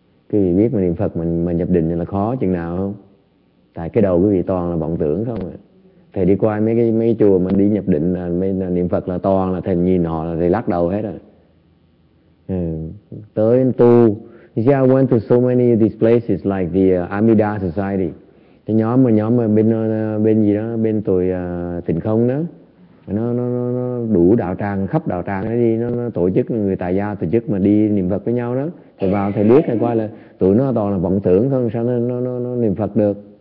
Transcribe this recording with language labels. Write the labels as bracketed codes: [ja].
[vi] Quý vị biết mà niệm Phật mình mà nhập định là khó chừng nào không? Tại cái đầu quý vị toàn là vọng tưởng không ạ. Thầy đi qua mấy chùa mình đi nhập định là niệm Phật là toàn là thầy nhìn họ là thầy lắc đầu hết rồi. Tới tu, [en] you see, I went to so many of these places like the Amida Society. [vi] Cái nhóm bên gì đó, bên tụi Tịnh Không đó, nó đủ đạo tràng, khắp đạo tràng đó đi, nó tổ chức, người tài gia tổ chức mà đi niệm Phật với nhau đó. Thầy vào thầy biết hay qua là tụi nó toàn là vọng tưởng thôi, sao nó niệm Phật được.